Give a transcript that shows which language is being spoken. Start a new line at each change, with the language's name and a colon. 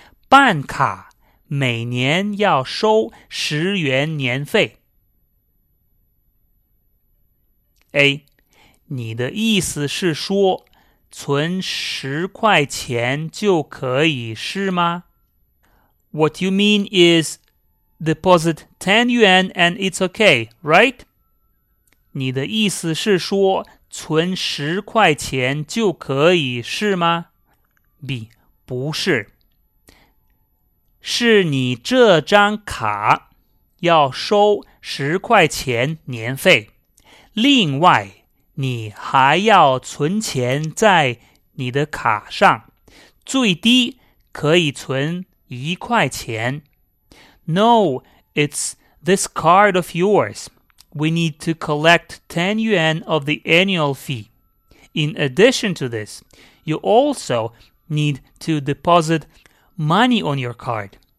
Chinese: 办卡每年要收10元年费。
English: A.
Chinese: 你的意思是说存10块钱就可以是吗?
English: What you mean is deposit 10 yuan and it's okay, right?
Chinese: 你的意思是说存10块钱就可以是吗? B. 不是。是你这张卡要收10块钱年费。另外你还要存钱在你的卡上，最低可以存1块钱。
English: No, it's this card of yours. We need to collect 10 yuan of the annual fee. In addition to this, you also need to deposit money on your card.